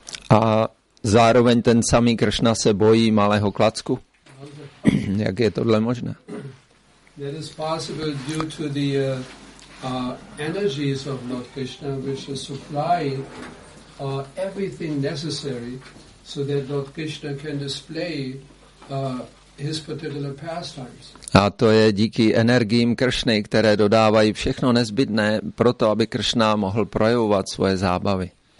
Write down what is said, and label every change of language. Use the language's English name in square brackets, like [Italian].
[Czech] A zároveň ten samý Kršna se bojí malého klacku. Jak je tohle možné? [English] That is possible due to the energies of Lord Krishna, which is supplying everything necessary so that Lord Krishna can display his particular pastimes. [Czech] A to je díky energiím Kršny, které dodávají všechno nezbytné pro to, aby Kršna mohl projevovat svoje zábavy.